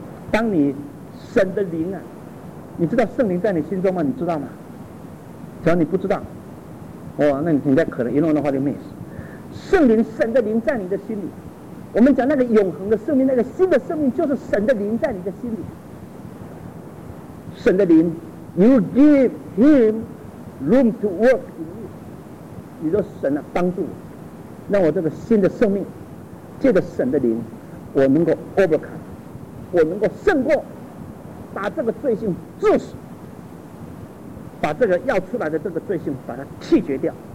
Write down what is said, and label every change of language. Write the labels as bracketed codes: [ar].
[zh] 当你神的灵啊，你知道圣灵在你心中吗？你知道吗？只要你不知道，哇，那你在可能一弄的话就没事。圣灵，神的灵在你的心里，我们讲那个永恒的生命，那个新的生命就是神的灵在你的心里。神的灵 [en] ，you give him。 Room to work in you， [zh] 你说神啊，帮助我，让我这个新的生命，借着神的灵，我能够 overcome， 我能够胜过，把这个罪性致死，把这个要出来的这个罪性把它弃绝掉。